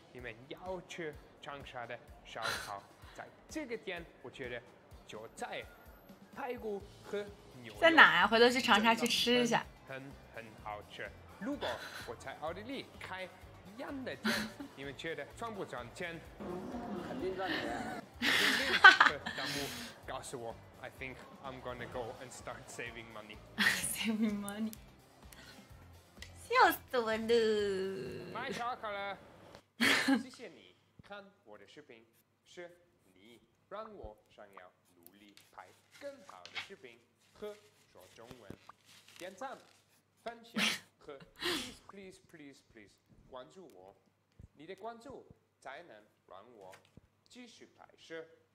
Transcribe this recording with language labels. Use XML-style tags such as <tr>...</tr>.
<zh>你们要吃长沙的烧烤，在这个店，我觉得就在。排骨和牛在哪呀、啊？回头去长沙去吃一下，很好吃。如果我在奥地利开一样的店，你们觉得赚不赚钱？肯定赚钱。</zh> <en>弹幕告诉我，I think I'm gonna go and start saving money.</en> <zh>Saving money，笑死我了。买烧烤了，谢谢你看我的视频，是你让我想要努力拍。更好的视频和说中文，点赞、分享和 please 关注我，你的关注才能让我继续拍摄。</zh>